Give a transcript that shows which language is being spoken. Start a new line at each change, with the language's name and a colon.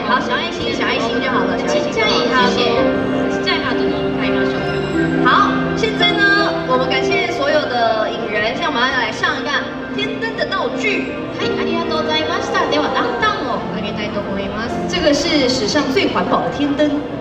Chinese: 好，小爱心，小爱心就好了。小爱心就好，谢谢。再好的你，开马上。好，现在呢，我们感谢所有的影人，像我们要来上一段天灯的道具。
Japanese: 嗨，ありがとうございました。ではランタンをあげたいと思います。
Chinese: 这个是史上最环保的天灯。